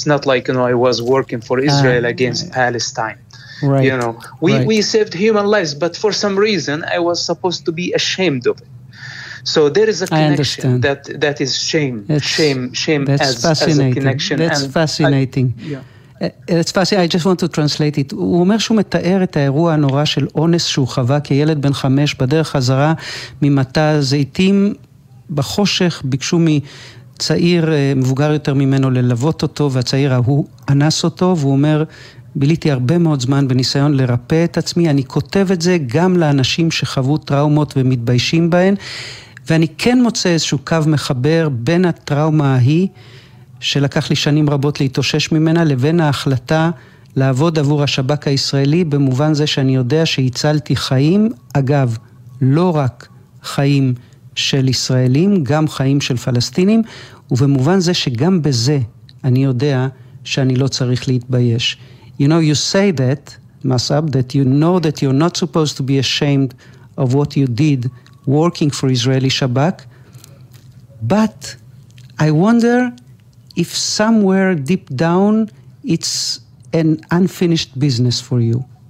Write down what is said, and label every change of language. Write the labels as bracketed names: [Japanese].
[English] It's not like, you know, I was working for Israel against Palestine. Right. You know, we saved human lives, but for some reason, I was supposed to be ashamed of it. So there is a connection that is shame. Shame as a connection. That's fascinating. It's fascinating. I just want to translate it. [Hebrew] הוא אומר שהוא מתאר את האירוע הנורא של אונס שהוא חווה כילד בן 5 בדרך חזרה ממטע זיתים בחושך, ביקשו מצעיר מבוגר יותר ממנו ללוות אותו, והצעיר ההוא אנס אותו, והוא אומר, ביליתי הרבה מאוד זמן בניסיון לרפא את עצמי. אני כותב את זה גם לאנשים שחוו טראומות ומתביישים בהן, ואני כן מוצא איזשהו קו מחבר בין הטראומה ההיא, שלקח לי שנים רבות להתאושש ממנה, לבין ההחלטה לעבוד עבור השבק הישראלי, במובן זה שאני יודע שהצלתי חיים, אגב, לא רק חיים של ישראלים, גם חיים של פלסטינים, ובמובן זה שגם בזה אני יודע שאני לא צריך להתבייש. [English] You know, you say that, Masab, that you know that you're not supposed to be ashamed of what you did working for Israeli Shabak, but I wonder if somewhere deep down it's an unfinished business for you.